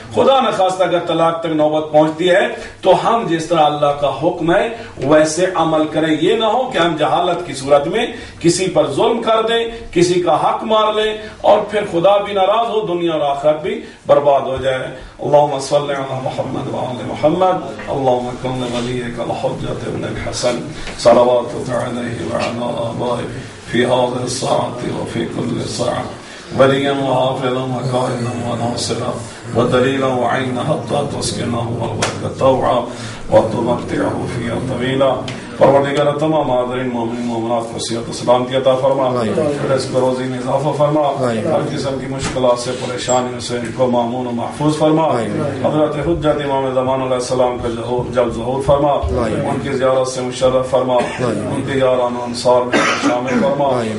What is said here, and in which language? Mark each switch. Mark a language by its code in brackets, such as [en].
[ur] خدا نخواستہ اگر طلاق تک نوبت پہنچتی ہے تو ہم جس طرح اللہ کا حکم ہے ویسے عمل کریں. یہ نہ ہو کہ ہم جہالت کی صورت میں کسی پر ظلم کر دیں, کسی کا حق مار لیں, اور پھر خدا بھی ناراض ہو, دنیا اور آخرت بھی برباد ہو جائے. [ar] اللهم صل على محمد وعلى محمد, اللهم كن وليك الحجة ابن الحسن صلواتك عليه وعلى آبائه في هذه الساعة وفي كل ساعة, وليا وحافظا وقائدا وناصرا ودليلا وعينا حتى تسكنه أرضك طوعا وتمتعه فيها طويلا. [ur] پروردگار تمام حاضرین مومنین مومنات کو صحت و سلامتی عطا فرما, رزق و روزی میں اضافہ فرما, ہر قسم کی مشکلات سے پریشانیوں سے ان کو مامون و محفوظ فرما. حضرت حجت امام زمان علیہ السلام کا جلد ظہور فرما, ان کی زیارت سے مشرف فرما, ان کے یاران و انصار میں شامل فرما.